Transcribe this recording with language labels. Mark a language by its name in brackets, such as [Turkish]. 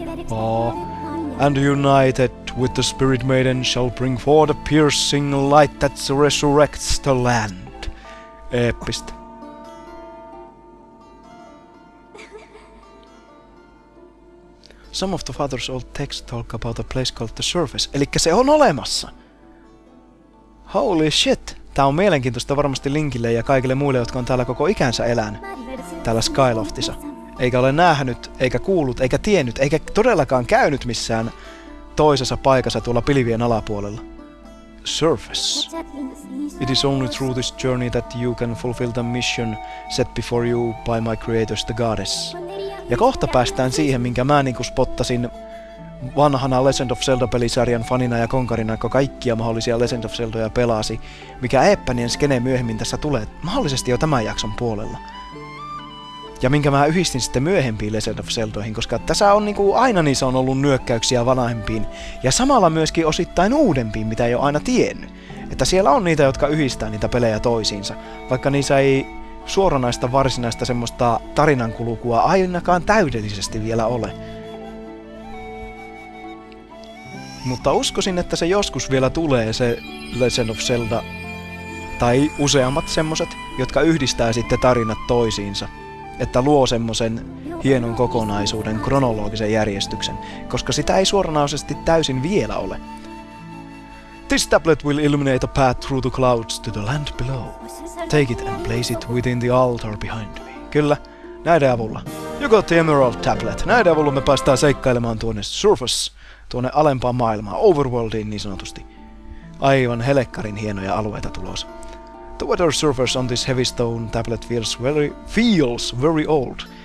[English] Oh, and united with the spirit maiden shall bring forth a piercing light that resurrects the land. Epist. Some of the father's old texts talk about a place called the surface. [Finnish] Elikkä se on olemassa! [English] Holy shit! [Finnish] Tää on mielenkiintoista varmasti Linkille ja kaikille muille, jotka on täällä koko ikänsä elänyt. Täällä Skyloftissa. Eikä ole nähnyt, eikä kuullut, eikä tiennyt, eikä todellakaan käynyt missään toisessa paikassa tuolla pilvien alapuolella. [English] Surface. It is only through this journey that you can fulfill the mission set before you by my creators the goddess. [Finnish] Ja kohta päästään siihen, minkä mä niinku spottasin vanhana Legend of Zelda-pelisarjan fanina ja konkarina, joka kaikkia mahdollisia Legend of Zeldoja pelasi, mikä eeppänien skene myöhemmin tässä tulee, mahdollisesti jo tämän jakson puolella. Ja minkä mä yhdistin sitten myöhempiin Legend of Zeldoihin, koska tässä on niinku aina niissä on ollut nyökkäyksiä vanhempiin, ja samalla myöskin osittain uudempiin, mitä ei ole aina tiennyt. Että siellä on niitä, jotka yhdistää niitä pelejä toisiinsa, vaikka niissä ei suoranaista varsinaista semmoista tarinankulkua ainakaan täydellisesti vielä ole. Mutta uskoisin, että se joskus vielä tulee, se Legend of Zelda, tai useammat semmoset, jotka yhdistää sitten tarinat toisiinsa, että luo semmosen hienon kokonaisuuden, kronologisen järjestyksen, koska sitä ei suoranaisesti täysin vielä ole. [English] This tablet will illuminate a path through the clouds to the land below. Take it and place it within the altar behind me. [Finnish] Kyllä, näiden avulla. [English] You got the Emerald Tablet. [Finnish] Näiden avulla me päästään seikkailemaan tuonne surface, tuonne alempaan maailmaan, overworldiin niin sanotusti. Aivan helekkarin hienoja alueita tulos. [English] The weather surface on this heavy stone tablet feels very old.